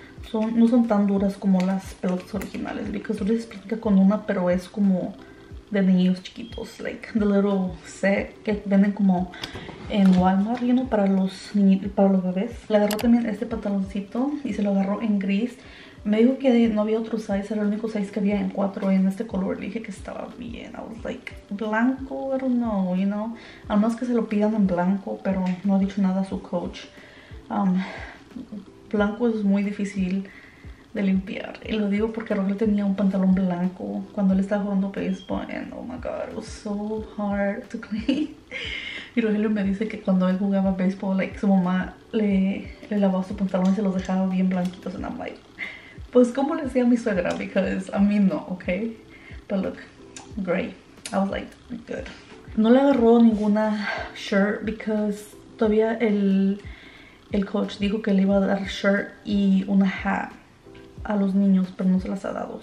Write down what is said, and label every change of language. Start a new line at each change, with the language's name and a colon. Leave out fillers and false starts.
Spanish: Son, no son tan duras como las pelotas originales,
English: because
Spanish: Ulises practica con una, pero es como de niños chiquitos,
English: like, the little set
Spanish: que venden como en Walmart,
English: you know,
Spanish: para los niños, para los bebés. Le agarró también este pantaloncito y se lo agarró en gris. Me dijo que no había otro size, era el único size que había en 4 en este color. Le dije que estaba bien.
English: I was like, blanco, I don't know, you know.
Spanish: A menos que se lo pidan en blanco, pero no ha dicho nada a su coach. Blanco es muy difícil de limpiar. Y lo digo porque Rogel tenía un pantalón blanco cuando él estaba jugando baseball.
English: And oh my god, it was so hard to clean.
Spanish: Y Rogelio me dice que cuando él jugaba baseball, like, su mamá le lavaba su pantalón y se los dejaba bien blanquitos.
English: And I'm like,
Spanish: pues, ¿cómo le decía a mi suegra?
English: Because
Spanish: a mí no, ¿ok?
English: But look, gray. I was like, good.
Spanish: No le agarró ninguna shirt
English: because
Spanish: todavía el coach dijo que le iba a dar shirt y una hat a los niños, pero no se las ha dado.